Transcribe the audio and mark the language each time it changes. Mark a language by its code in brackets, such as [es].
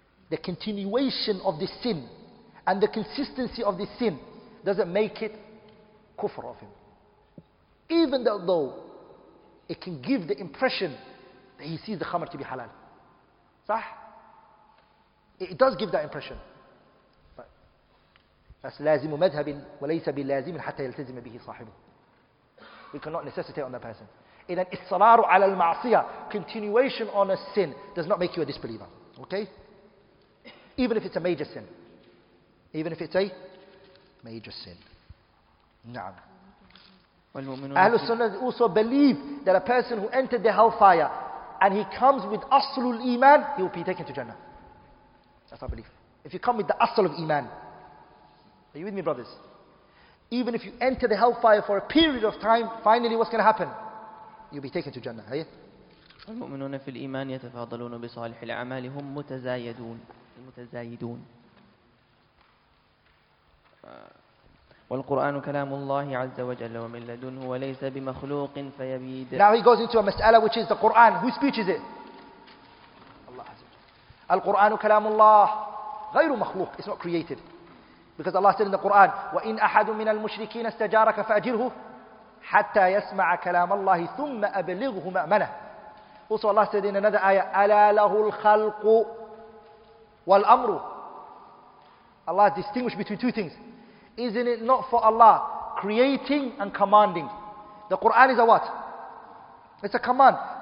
[en] The continuation of this sin and the consistency of this sin doesn't make it kufr of him. Even though it can give the impression that he sees the khamar to be halal. Sah? It does give that impression. But that's [ar] لازم مذهب وليس باللازم حتى يلتزم به صاحبه. [en] We cannot necessitate on that person. [ar] إذا إصرار على المعصية, [en] continuation on a sin, does not make you a disbeliever. Okay? Even if it's a major sin. Even if it's a major sin. [ar] نعم. [en] أهل السنة also believe that a person who entered the hellfire and he comes with [ar] أصل الإيمان, [en] he will be taken to Jannah. That's our belief. If you come with the أصل of إيمان, are you with me, brothers? Even if you enter the hellfire for a period of time, finally what's going to happen? You'll be taken to Jannah. هي. [ar] المؤمنون في الإيمان يتفاضلون بصالح الأعمال, هم متزايدون. المتزايدون. والقرآن كلام الله عز وجل ومن لدنه وليس بمخلوق فيبيد. [en] Now he goes into a mas'ala which is the Quran. Who speeches it? Allah [ar] عز وجل. القرآن كلام الله غير مخلوق. [en] It's not created. Because Allah said in the Quran, [ar] وإن أحد من المشركين استجارك فأجره حتى يسمع كلام الله ثم أبلغه مأمنه. [en] Also Allah said in another ayah, [ar] ألا له الخلق والأمر. [en] Allah distinguished between two things. Isn't it not for Allah creating and commanding? The Quran is a what? It's a command.